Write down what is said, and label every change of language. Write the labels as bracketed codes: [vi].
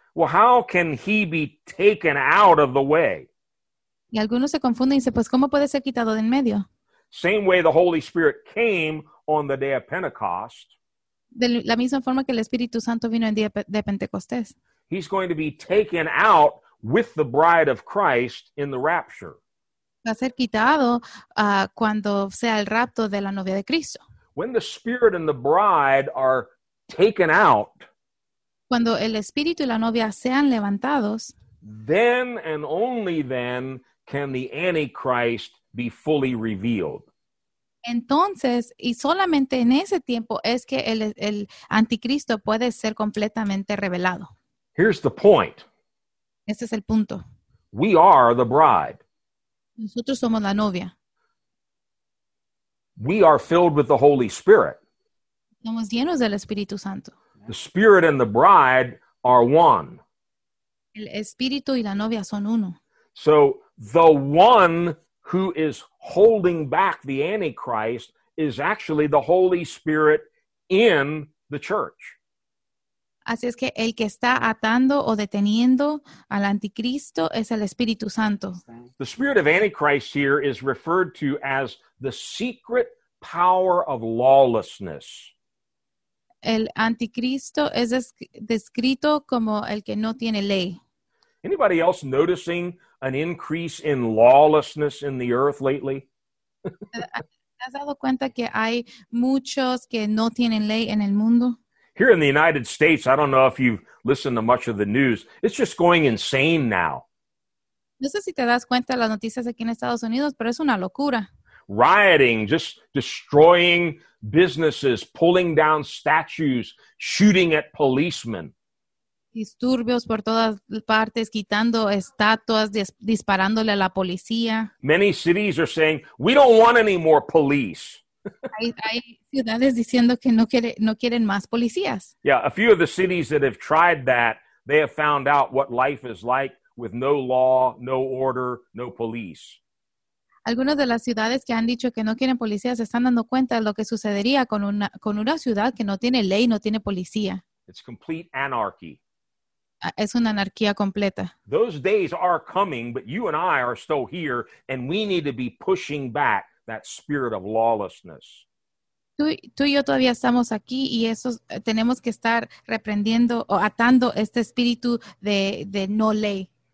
[en] Well, how can he be taken out of the way? [es] Y algunos se confunden y dicen, pues, ¿cómo puede ser quitado de en medio? [en] Same way the Holy Spirit came on the day of Pentecost. [es] De la misma forma que el Espíritu Santo vino en día de Pentecostés. [en] He's going to be taken out with the bride of Christ in the rapture. [es] Va a ser quitado cuando sea el rapto de la novia de Cristo. [en] When the Spirit and the bride are taken out, [es] cuando el Espíritu y la novia sean levantados, [en] then and only then can the Antichrist be fully revealed. [es] Entonces, y solamente en ese tiempo es que el anticristo puede ser completamente revelado. [en] Here's the point. [es] Este es el punto. [en] We are the bride. [es] Nosotros somos la novia. [en] We are filled with the Holy Spirit. [es] Somos llenos del Espíritu Santo. [en] The Spirit and the bride are one. [es] El espíritu y la novia son uno. [en] So the one who is holding back the Antichrist is actually the Holy Spirit in the church. [es] Así es que el que está atando o deteniendo al anticristo es el Espíritu Santo. [en] The spirit of Antichrist here is referred to as the secret power of lawlessness. [es] El anticristo es descrito como el que no tiene ley. [en] Anybody else noticing an increase in lawlessness in the earth lately? [es] ¿Has dado cuenta que hay muchos que no tienen ley en el mundo? [en] Here in the United States, I don't know if you've listened to much of the news. It's just going insane now. [es] No sé si te das cuenta de las noticias aquí en Estados Unidos, pero es una locura. [en] Rioting, just destroying businesses, pulling down statues, shooting at policemen. [es] Disturbios por todas partes, quitando estatuas, disparándole a la policía. [en] Many cities are saying, we don't want any more police. [es] Hay ciudades diciendo que no quieren más policías. [en] Yeah, a few of the cities that have tried that, they have found out what life is like with no law, no order, no police. [es] Algunas de las ciudades que han dicho que no quieren policías están dando cuenta de lo que sucedería con una ciudad que no tiene ley, no tiene policía. [en] It's complete anarchy. [es] Es una anarquía completa. [en] Those days are coming, but you and I are still here, and we need to be pushing back that spirit of lawlessness. [es] Tú y yo todavía estamos aquí, y eso tenemos que estar reprendiendo o atando este espíritu de no ley.